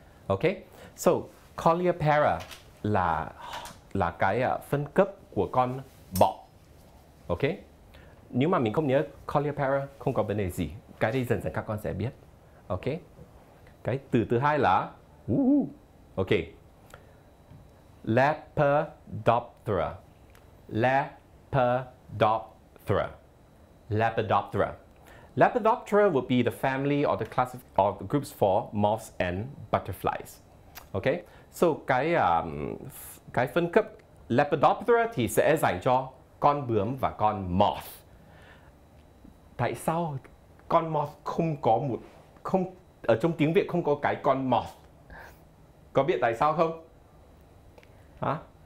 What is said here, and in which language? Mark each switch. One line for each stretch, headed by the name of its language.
Vietnamese: Ok, so Coleoptera là cái phân cấp của con bọ. Ok, nếu mà mình không nhớ Collier para không có vấn đề gì, cái đấy dần dần các con sẽ biết. Ok, cái từ thứ hai là ok, Lepidoptera. Lepidoptera. Lepidoptera.
English: Lepidoptera would be the family or the class of the groups for moths and butterflies.
Vietnamese: Okay, so cái phân cấp Lepidoptera thì sẽ dành cho con bướm và con moth. Tại sao con moth không có một không ở trong tiếng Việt không có cái con moth? Có biết tại sao không? Hả?